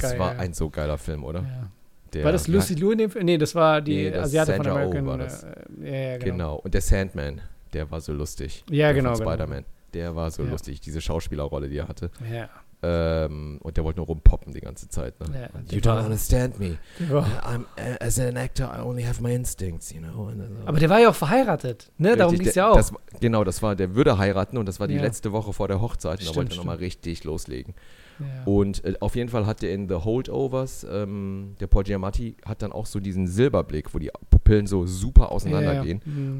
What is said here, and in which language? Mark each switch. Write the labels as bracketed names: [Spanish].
[German] Das war ein so geiler Film, oder? Ja. War das Lucy Liu in dem Film? Nee, das war die Asiate von American. Genau. Und der Sandman, der war so lustig. Ja, der genau. Spider-Man, der war so lustig, diese Schauspielerrolle, die er hatte. Ja. Und der wollte nur rumpoppen die ganze Zeit. Ne? [English] Yeah, you don't understand me. I'm, as an actor, I only have my instincts, you know. [German] Aber der war ja auch verheiratet, ne? Richtig, darum ging es ja auch. Der würde heiraten und das war die letzte Woche vor der Hochzeit. Und da wollte er nochmal richtig loslegen. [English] Yeah. [German] Und auf jeden Fall hat der in The Holdovers, der Paul Giamatti hat dann auch so diesen Silberblick, wo die Pupillen so super auseinandergehen. [English] Yeah, yeah.